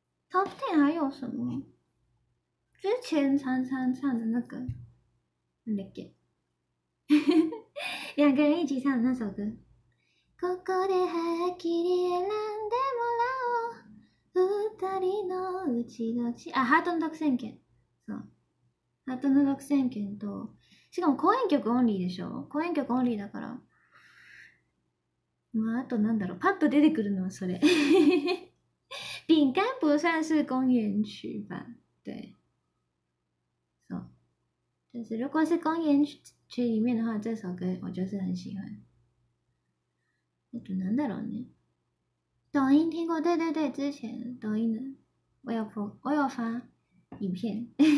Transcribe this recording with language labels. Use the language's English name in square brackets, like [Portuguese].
[Chinese] Top Ten 还有什么？之前常常唱的那个，那个，两个人一起唱的那首歌。 [Japanese] ここではっきり選んでもらおう。二人のうちのち、あ、ハートの独占権。そう。ハートの独占権と、しかも公演曲オンリーでしょ。公演曲オンリーだから。まああとなんだろう。パッと出てくるのはそれ。 [Chinese] 饼干不算是公演曲吧？对，so， 就是如果是公演曲里面的话，这首歌我就是很喜欢。那就难得了呢。抖音听过，对对对，之前抖音的，我有发影片。